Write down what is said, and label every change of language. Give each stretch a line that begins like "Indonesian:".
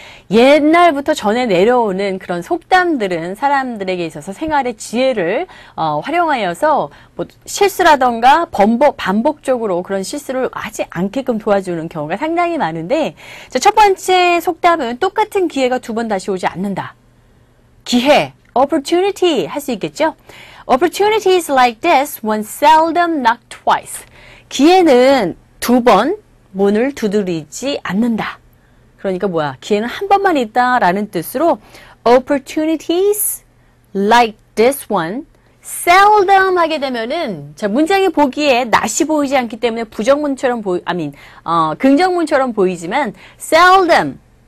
Korean: 옛날부터 전해 내려오는 그런 속담들은 사람들에게 있어서 생활의 지혜를 활용하여서 뭐 실수라던가 반복적으로 그런 실수를 하지 않게끔 도와주는 경우가 상당히 많은데 자, 첫 번째 속담은 똑같은 기회가 두 번 다시 오지 않는다. 기회, opportunity 할 수 있겠죠?
English: Opportunity is like this, one seldom knock twice.
Korean: 기회는 두 번 문을 두드리지 않는다. 그러니까 뭐야? 기회는 한 번만 있다라는 뜻으로
English: opportunities like this one seldom
Korean: 하게 되면은 자 문장이 보기에 낯이 보이지 않기 때문에 긍정문처럼 보이지만 seldom